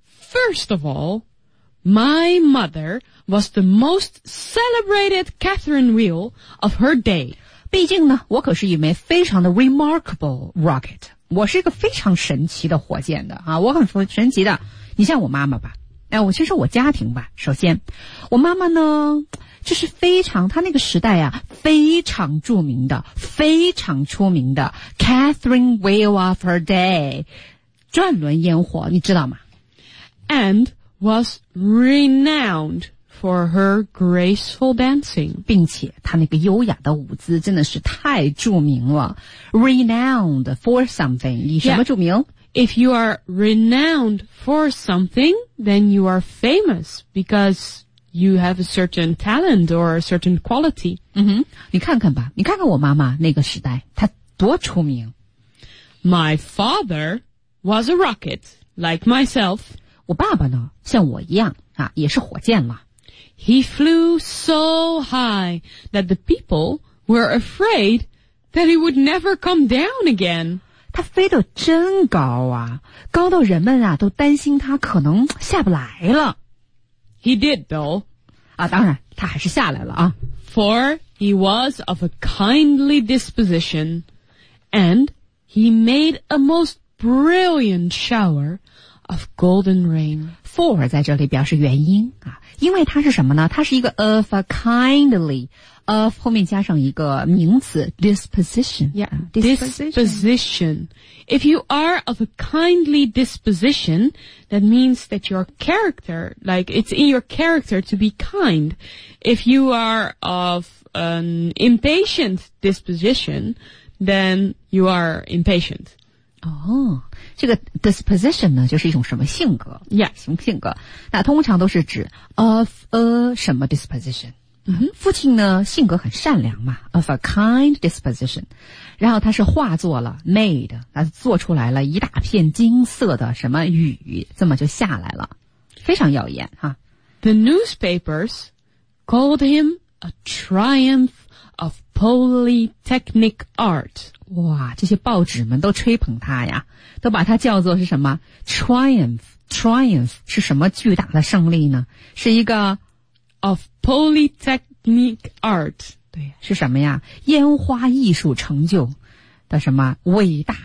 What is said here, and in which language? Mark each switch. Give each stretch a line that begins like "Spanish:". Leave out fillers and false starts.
English: First of all, my mother was the most celebrated Catherine Wheel of her day.
Chinese: 毕竟呢我可是一枚非常的
English: remarkable rocket,
Chinese: 我是一个非常神奇的火箭的啊，我很神奇的。你像我妈妈吧，哎，我先说我家庭吧。首先，我妈妈呢，就是非常，她那个时代啊，非常著名的、非常出名的 Catherine Wheel of Her Day， 转轮烟火，你知道吗
English: ？And was renowned. For her graceful dancing.
Chinese: 并且她那个优雅的舞姿真的是太著名了。
English: Renowned for something.
Chinese: 以什么著名？
English: Yeah. If you are renowned for something, then you are famous because you have a certain talent or a certain quality.
Chinese: 嗯哼，你看看吧，你看看我妈妈那个时代，她多出名。
English: My father was a rocket, like myself.
Chinese: 我爸爸呢，像我一样啊，也是火箭了。
English: He flew so high that the people were afraid that he would never come down again.
Chinese: 他飞得真高啊，高到人们啊都担心他可能下不来了。
English: He did though.
Chinese: 啊，当然他还是下来了啊。
English: For he was of a kindly disposition and he made a most brilliant shower of golden rain.
Chinese: For 在这里表示原因啊，因为它是什么呢？它是一个
English: of a kindly of
Chinese: 后面加上一个名词 disposition,
English: yeah, disposition. Disposition. If you are of a kindly disposition, that means that your character, like it's in your character to be kind. If you are of an impatient disposition, then you are impatient. Oh.
Chinese: 这个 disposition 呢就是一种什么性格
English: yeah,
Chinese: 什么性格，那通常都是指 of a 什么 disposition、
English: mm-hmm.
Chinese: 父亲呢性格很善良嘛
English: of a kind disposition,
Chinese: 然后他是化作了 made, 他做出来了一大片金色的什么雨，这么就下来了，非常耀眼哈。
English: The newspapers called him a triumph of polytechnic art.
Chinese: 哇，这些报纸们都吹捧他呀，都把它叫做是什么 ？Triumph, triumph 是什么巨大的胜利呢？是一个
English: of polytechnic art，
Chinese: 对，是什么呀？烟花艺术成就的什么伟大？